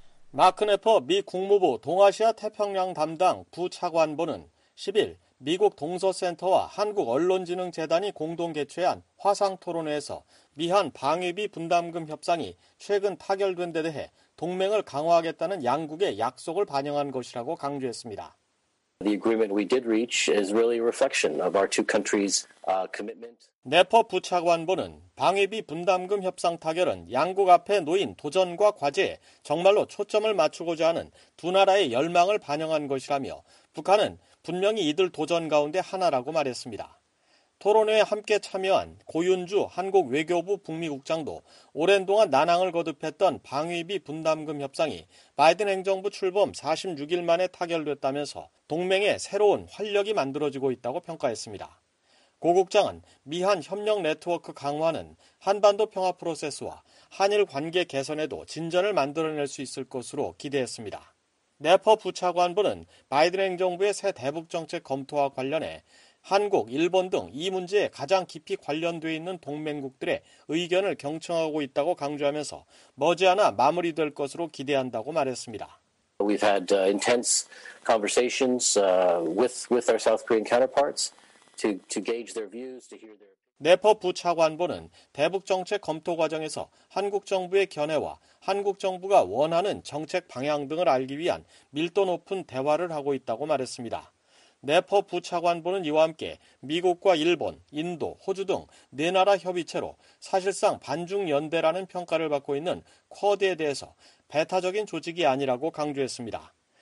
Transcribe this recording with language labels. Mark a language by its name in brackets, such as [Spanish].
[Korean] 마크 네퍼 미 국무부 동아시아 태평양 담당 부차관보는 10일 미국 동서센터와 한국언론진흥재단이 공동 개최한 화상토론회에서 미한 방위비 분담금 협상이 최근 타결된 데 대해 동맹을 강화하겠다는 양국의 약속을 반영한 것이라고 강조했습니다. [English] The agreement we did reach is really a reflection of our two countries' commitment. [Korean] 네퍼 부차관보는 방위비 분담금 협상 타결은 양국 앞에 놓인 도전과 과제에 정말로 초점을 맞추고자 하는 두 나라의 열망을 반영한 것이라며 북한은 분명히 이들 도전 가운데 하나라고 말했습니다. 토론회에 함께 참여한 고윤주 한국 외교부 북미국장도 오랜 동안 난항을 거듭했던 방위비 분담금 협상이 바이든 행정부 출범 46일 만에 타결됐다면서 동맹의 새로운 활력이 만들어지고 있다고 평가했습니다. 고 국장은 미한 협력 네트워크 강화는 한반도 평화 프로세스와 한일 관계 개선에도 진전을 만들어낼 수 있을 것으로 기대했습니다. 네퍼 부차관보는 바이든 행정부의 새 대북정책 검토와 관련해 한국, 일본 등 이 문제에 가장 깊이 관련돼 있는 동맹국들의 의견을 경청하고 있다고 강조하면서 머지않아 마무리될 것으로 기대한다고 말했습니다. [English] We've had intense conversations with our South Korean counterparts to gauge their views, to hear their [Korean] 네퍼 부차관보는 대북정책 검토 과정에서 한국 정부의 견해와 한국 정부가 원하는 정책 방향 등을 알기 위한 밀도 높은 대화를 하고 있다고 말했습니다. 네퍼 부차관보는 이와 함께 미국과 일본, 인도, 호주 등 네 나라 협의체로 사실상 반중 연대라는 평가를 받고 있는 쿼드에 대해서 배타적인 조직이 아니라고 강조했습니다.